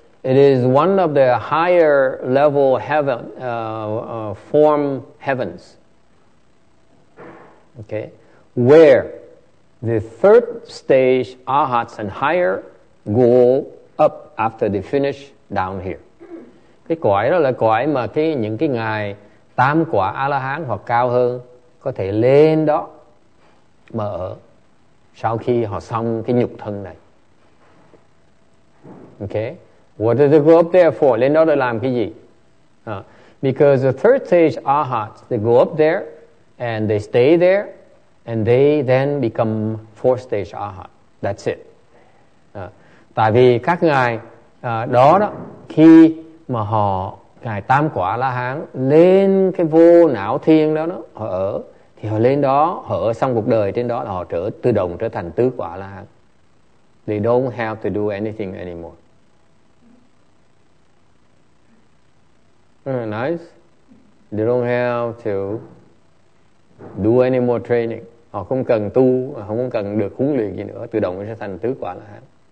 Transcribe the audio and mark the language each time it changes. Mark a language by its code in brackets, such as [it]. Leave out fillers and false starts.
[en] It is one of the higher level heaven, form heavens. Okay, where the third stage arhats and higher go up after they finish down here. [vi] Cái cõi đó là cõi mà cái những cái ngài tam quả a la hán hoặc cao hơn có thể lên đó mà ở sau khi họ xong cái nhục thân này. [en] Okay, what do they go up there for? [vi] Lên đó để làm cái gì? [en] Because the third stage arhats, they go up there and they stay there. And they then become four stage arhat. That's it. [vi] Tại vì các ngài đó khi mà họ ngài tam quả la hán lên cái vô não thiên đó họ ở, thì họ lên đó họ ở xong cuộc đời trên đó là họ trở tự động trở thành tứ quả la hán. [en] They don't have to do anything anymore. Nice. They don't have to do any more training. [vi] Họ không cần tu, không cần được huấn luyện gì nữa, tự động sẽ thành tứ quả la hán.